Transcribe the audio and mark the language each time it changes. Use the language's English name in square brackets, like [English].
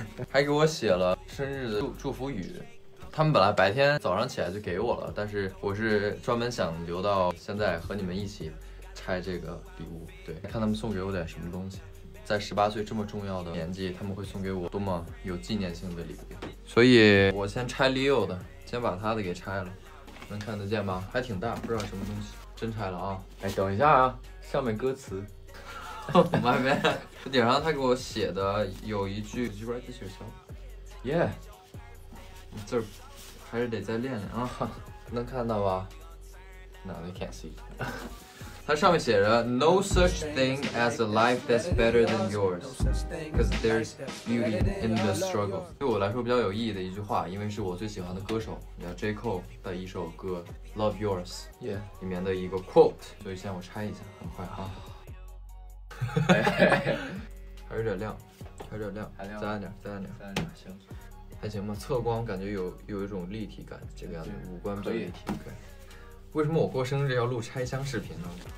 [Chinese] 还给我写了生日的祝福语。他们本来白天早上起来就给我了，但是我是专门想留到现在和你们一起拆这个礼物。对，看他们送给我点什么东西，在18岁这么重要的年纪，他们会送给我多么有纪念性的礼物。所以我先拆 Leo 的，先把他的给拆了，能看得见吧？还挺大，不知道什么东西。真拆了啊！哎，等一下啊，上面歌词。 [English] My man， [Chinese] 顶上他给我写的有一句 ， [English] You write this yourself， yeah。 [Chinese] 字还是得再练练啊，能看到吧？ [English] No, they can't see. [Chinese] 它上面写着 [English] No such thing as a life that's better than yours, because there's beauty in the struggle. [Chinese] 对我来说比较有意义的一句话，因为是我最喜欢的歌手叫 J. Cole 的一首歌 Love Yours， [English] yeah， [Chinese] 里面的一个 quote。所以先我拆一下，很快啊。还有点亮，还有点亮，再暗点，再暗点，再暗点，行。还行吧，侧光感觉有一种立体感，这个样子五官比较立体。对，为什么我过生日要录拆箱视频呢？